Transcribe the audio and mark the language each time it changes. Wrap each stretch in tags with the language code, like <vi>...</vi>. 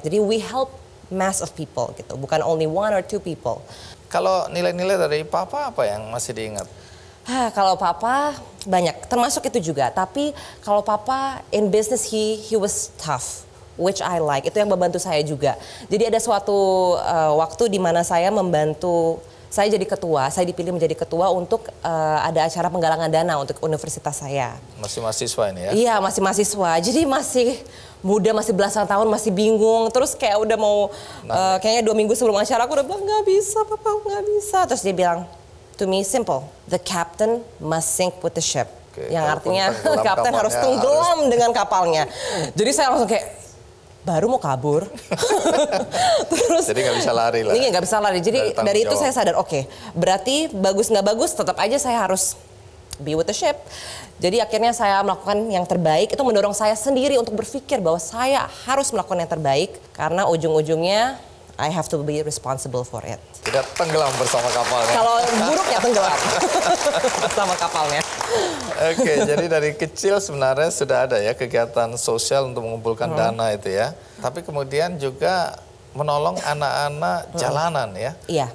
<id>Jadi</id> <en>we help mass of people</en> <id>gitu, bukan</id> <en>only one or two people.</en> <id>Kalau nilai-nilai dari papa apa yang masih diingat? Kalau papa banyak, termasuk itu juga. Tapi kalau papa</id> <en>in business he was tough, which I like.</en> <id>Itu yang membantu saya juga. Jadi ada suatu waktu di mana saya jadi ketua, saya dipilih menjadi ketua untuk ada acara penggalangan dana untuk universitas saya. Masih mahasiswa ini ya? Iya, masih mahasiswa. Jadi masih muda, masih belasan tahun, masih bingung. Terus kayak udah mau, kayaknya 2 minggu sebelum acara aku udah bilang, gak bisa papa, gak bisa. Terus dia bilang,</id> <en>to me simple, the captain must sink with the ship.</en> <id>Oke, yang artinya kapten harus tenggelam dengan kapalnya. Jadi saya langsung kayak, baru mau kabur. Terus, jadi gak bisa lari lah. Iya gak bisa lari. Jadi dari itu saya sadar oke. Berarti bagus gak bagus tetap aja saya harus</id> <en>be with the ship.</en> <id>Jadi akhirnya saya melakukan yang terbaik. Itu mendorong saya sendiri untuk berpikir bahwa saya harus melakukan yang terbaik. Karena ujung-ujungnya</id> <en>I have to be responsible for it.</en> <id>Tidak tenggelam bersama kapalnya. Kalau buruknya tenggelam bersama kapalnya. Oke, jadi dari kecil sebenarnya sudah ada ya kegiatan sosial untuk mengumpulkan dana itu ya. Tapi kemudian juga menolong anak-anak jalanan ya. Iya.</id>